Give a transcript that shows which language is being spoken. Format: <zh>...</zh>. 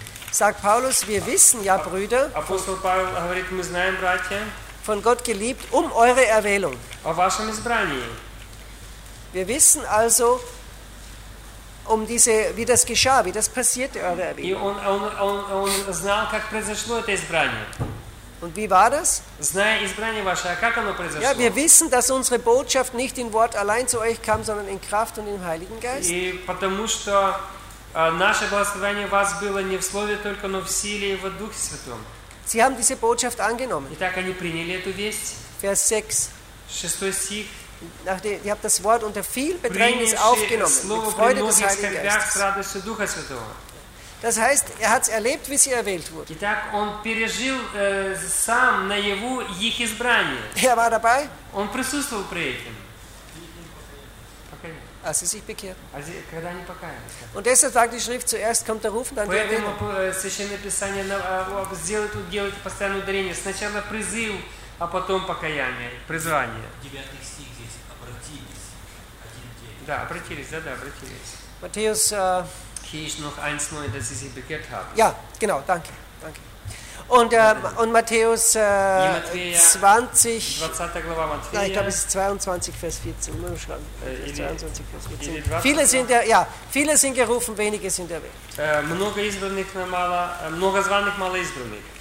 <de>sagt Paulus, wir wissen ja, Brüder,</de> <ru>Апостол Павел говорит, мы знаем, братья,</ru> <de>von Gott geliebt, um eure Erwählung.</de> <ru>О вашем избрании.</ru> <de>Wir wissen also, um diese, wie das geschah, wie das passierte, eure Erwählung.</de> <ru>Он знал, как произошло это избрание.</ru> <de>Und wie war das?</de> <ru>Знаю избрание ваше, а как оно произошло?</ru> <de>Ja, wir wissen, dass unsere Botschaft nicht in Wort allein zu euch kam, sondern in Kraft und im Heiligen Geist.</de> <ru>И потому что наше благословение вас было не в слове только, но в силе и в Духе Святом.</ru> <de>Sie haben diese Botschaft angenommen.</de> <ru>Итак, они приняли эту весть.</ru> <de>Vers 6.</de> <ru>6. Стих.</ru> <de>Nachdem ihr habt das Wort unter viel Bedrängnis aufgenommen,</de> <ru>слово,</ru> <de>mit Freude des Heiligen Geistes. Das heißt, er hat es erlebt, wie sie erwählt wurde.</de> <ru>Итак, он пережил сам наяву их избрание.</ru> <de>Er war dabei.</de> <ru>Он присутствовал при этом.</ru> <de>Als sie sich bekehrten.</de> <ru>Когда они покаялись.</ru> <de>Und deshalb sagt die Schrift, zuerst kommt der Ruf, dann die Erwählung.</de> <ru>Поэтому Священное Писание делает постоянное ударение. Сначала призыв, а потом покаяние, призвание. 9 стих здесь. Обратились. 1-9. Да, обратились, да, обратились.</ru> <de>Matthäus... noch 1,9, dass sie sich bekehrt haben. Ja, genau, danke. Danke. Und Matthäus 20, nein, ich glaube, es ist 22, Vers 14, muss man schauen. 22, Vers 14. Viele sind, ja, viele sind gerufen, wenige sind erwählt.</de> <ru>Много избранных, много званых, мало избранных.</ru>